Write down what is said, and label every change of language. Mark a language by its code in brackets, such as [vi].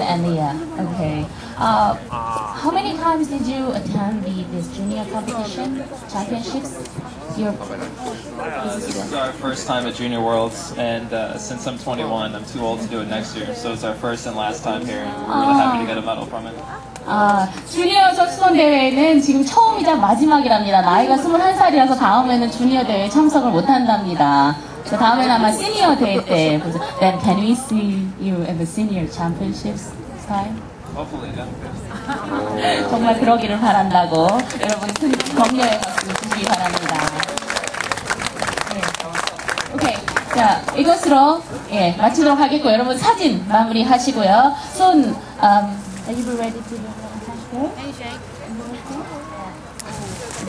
[en] And the how many times did you attend this junior competition championships? This is our first time at Junior Worlds, and since I'm 21, I'm too old to do it next year. So it's our first and last time here, and we're really happy to get a medal from it. [ko] 주니어 적성 대회는 지금 처음이자 마지막이랍니다. 나이가 21살이라서 다음에는 주니어 대회 참석을 못 한답니다. 그래서 다음에는 아마 시니어 대회 때. [en] Then can we see you in the senior championships time? Hopefully, yeah. [ko] 정말 그러기를 바란다고 여러분 격려해 주시기 바랍니다. Okay, 자 이것으로 예 마치도록 하겠고 여러분 사진 마무리하시고요. 손 [en] Are you ready to do the handshake?